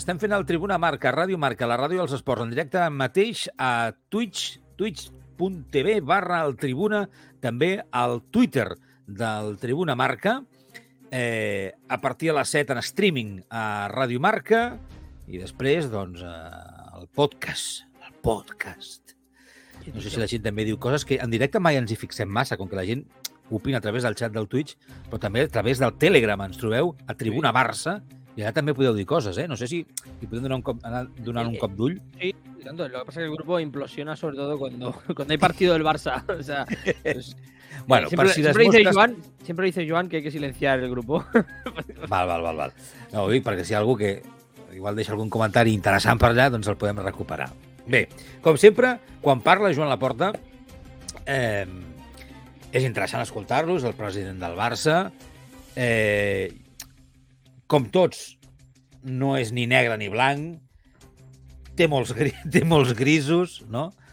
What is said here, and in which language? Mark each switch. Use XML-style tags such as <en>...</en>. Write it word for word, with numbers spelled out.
<ca>Estem fent el Tribuna Marca, Ràdio Marca, la ràdio dels esports, en directe mateix a Twitch, twitch.tv barra el Tribuna, també al Twitter del Tribuna Marca, eh, a partir de les set en streaming a Ràdio Marca i després, doncs, al podcast. podcast. No sé si la gent també diu coses que en directe mai ens hi fixem massa, com que la gent opina a través del xat del Twitch, però també a través del Telegram ens trobeu a Tribuna Barça i allà també podeu dir coses, eh? No sé si hi podem donar un cop, donar un cop d'ull.</ca> <es>Sí, tanto. Lo que pasa es que el grupo implosiona sobre todo cuando, cuando hay partido del Barça. O sea, pues, bueno, siempre,</es> <ca>per si</ca> <es>siempre,</es> <ca>mostres...</ca> <es>dice Joan, siempre dice Joan que hay que silenciar el grupo.</es> <ca>Val, val, val. val. No, ho dic perquè si hi ha algú que igual deixa algun comentari interessant per allà, doncs el podem recuperar. Bé, com sempre, quan parla Joan Laporta, eh, és interessant escoltar-lo, és el president del Barça. Eh, com tots, no és ni negre ni blanc, té molts, té molts grisos, no?</ca>